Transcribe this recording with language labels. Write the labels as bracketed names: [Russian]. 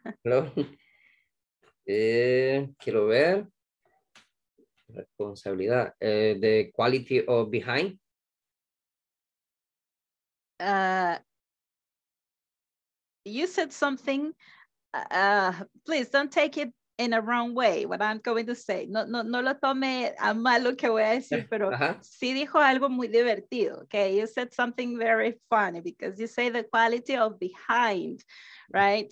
[Spanish] Hello. Quiero ver responsabilidad. [English] The quality of behind. You said something. Please don't take it in a wrong way, what I'm going to say. [Spanish] No, no, no lo tome a mal lo que voy a decir, pero sí dijo algo muy divertido, okay? [English] You said something very funny because you say the quality of behind, right?